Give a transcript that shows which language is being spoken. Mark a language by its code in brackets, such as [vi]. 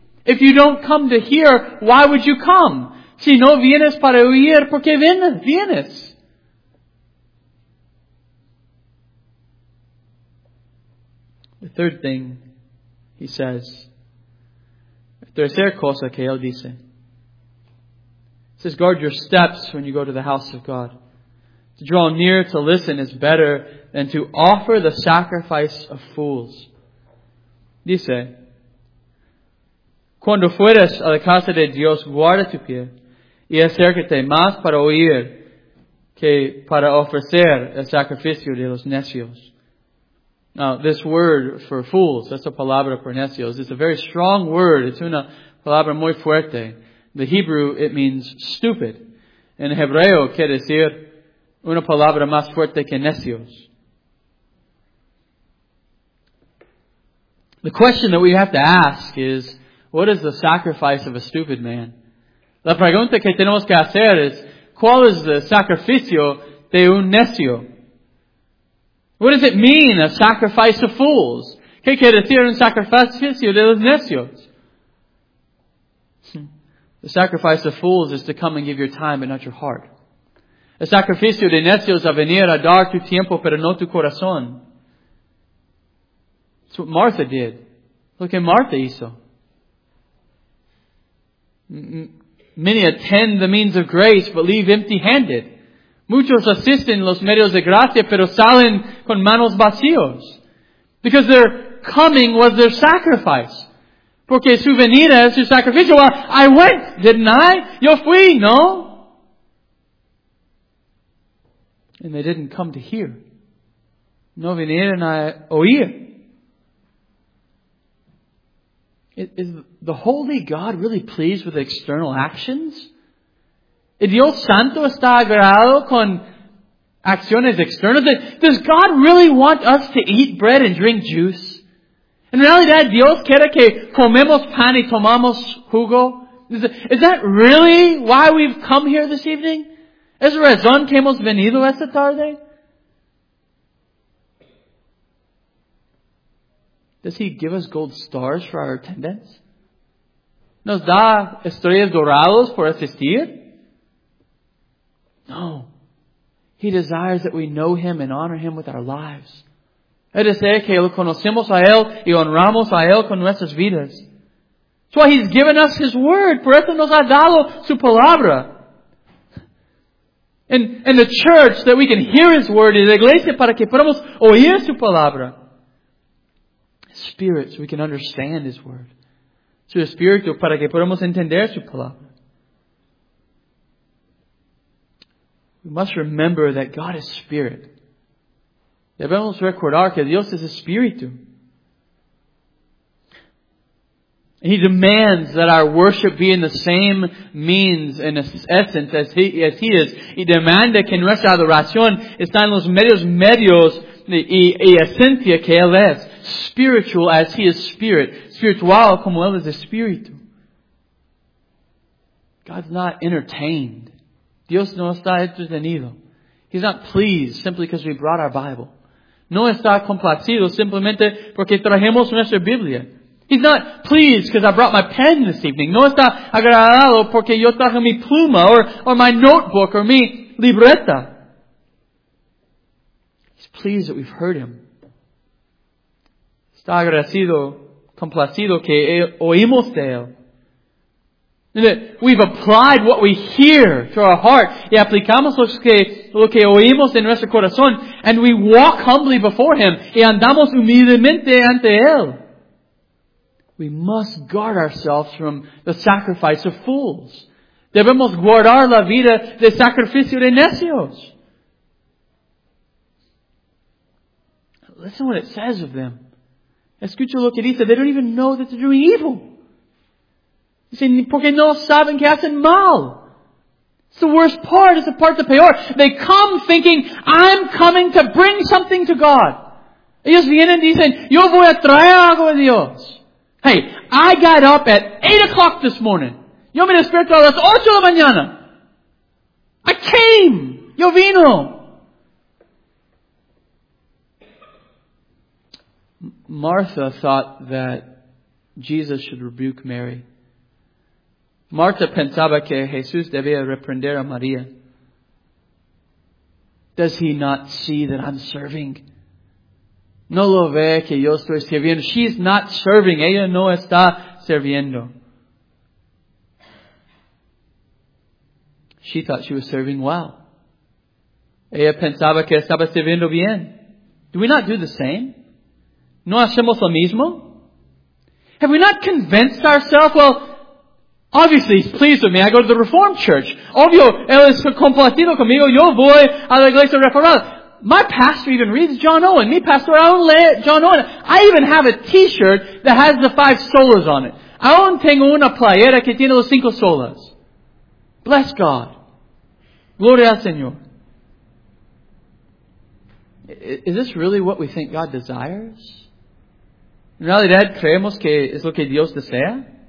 [en] If you don't come to hear, why would you come? [es] Si no vienes para oír, ¿por qué vienes? [en] The third thing he says, [es] tercera cosa que él dice, [en] he says, guard your steps when you go to the house of God. To draw near to listen is better than to offer the sacrifice of fools. [es] Dice, cuando fueres a la casa de Dios, guarda tu pie y acércate más para oír que para ofrecer el sacrificio de los necios. [en] Now, this word for fools, that's a [es] palabra por necios, [en] it's a very strong word. It's [es] una palabra muy fuerte. [en] The Hebrew, it means stupid. [es] En Hebreo, quiere decir una palabra más fuerte que necios. [en] The question that we have to ask is, what is the sacrifice of a stupid man? [es] La pregunta que tenemos que hacer es, ¿cuál es el sacrificio de un necio? [en] What does it mean, a sacrifice of fools? [es] ¿Qué quiere decir un sacrificio de los necios? [en] The sacrifice of fools is to come and give your time and not your heart. [es] El sacrificio de necios a venir a dar tu tiempo pero no tu corazón. [en] That's what Martha did. Look at Martha hizo. Many attend the means of grace but leave empty-handed. [es] Muchos asisten los medios de gracia, pero salen con manos vacíos. [en] Because their coming was their sacrifice. [es] Porque su venida es su sacrificio. [en] Well, I went, didn't I? [es] Yo fui, no? [en] And they didn't come to hear. [es] No vinieron a oír. [en] Is the holy God really pleased with external actions? [es] ¿Dios Santo está agradado con acciones externas? [en] Does God really want us to eat bread and drink juice? [es] En realidad, ¿Dios quiere que comemos pan y tomamos jugo? [en] Is that really why we've come here this evening? [es] ¿Es razón que hemos venido esta tarde? [en] Does He give us gold stars for our attendance? [es] ¿Nos da estrellas doradas por asistir? No. [en] He desires that we know Him and honor Him with our lives. [es] Él desea que lo conocemos a Él y honramos a Él con nuestras vidas. [en] That's why He's given us His Word. [es] Por eso nos ha dado su palabra. [en] And the church, that we can hear His Word. [es] Y la iglesia, para que podamos oír su palabra. [en] Spirit, so we can understand His Word. [es] Su espíritu, para que podamos entender su palabra. [en] We must remember that God is spirit. [es] Debemos recordar que Dios es espíritu. [en] He demands that our worship be in the same means and essence as he is. [es] He demanda que nuestra adoración está en los medios y esencia que Él es. [en] Spiritual as He is spirit. Spiritual [es] como Él es espíritu. [en] God's not entertained. [es] Dios no está entretenido. [en] He's not pleased simply because we brought our Bible. [es] No está complacido simplemente porque trajimos nuestra Biblia. [en] He's not pleased because I brought my pen this evening. [es] No está agradado porque yo traje mi pluma [en] or my notebook or [es] mi libreta. [en] He's pleased that we've heard him. [es] Está agradecido, complacido que oímos de él. [en] And that we've applied what we hear to our heart [es] y aplicamos lo que oímos en nuestro corazón, [en] and we walk humbly before him [es] y andamos humildemente ante él. [en] We must guard ourselves from the sacrifice of fools. [es] Debemos guardar la vida de sacrificio de necios. [en] Listen what it says of them. [es] Escucha lo que dice. [en] They don't even know that they're doing evil. You say, [es] porque no saben que hacen mal. [en] It's the worst part. It's the part the peor. They come thinking, I'm coming to bring something to God. [es] Ellos vienen y dicen, yo voy a traer algo a Dios. [en] Hey, I got up at 8 o'clock this morning. [es] Yo me despierto a las 8 de la mañana. [en] I came. [es] Yo vino. [en] Martha thought that Jesus should rebuke Mary. [es] Martha pensaba que Jesús debía reprender a María. [en] Does he not see that I'm serving? [es] No lo ve que yo estoy sirviendo. [en] She's not serving. [es] Ella no está sirviendo. [en] She thought she was serving well. [es] Ella pensaba que estaba sirviendo bien. [en] Do we not do the same? [es] ¿No hacemos lo mismo? [en] Have we not convinced ourselves? Well, obviously, he's pleased with me. I go to the Reformed Church. [es] Obvio, él es complacido conmigo. Yo voy a la iglesia reformada. [en] My pastor even reads John Owen. Me, pastor, I own John Owen. I even have a t-shirt that has the 5 solas on it. I own [es] tengo una playera que tiene los 5 solas. [en] Bless God. [es] Gloria al Señor. [en] Is this really what we think God desires? [es] ¿En realidad creemos que es lo que Dios desea?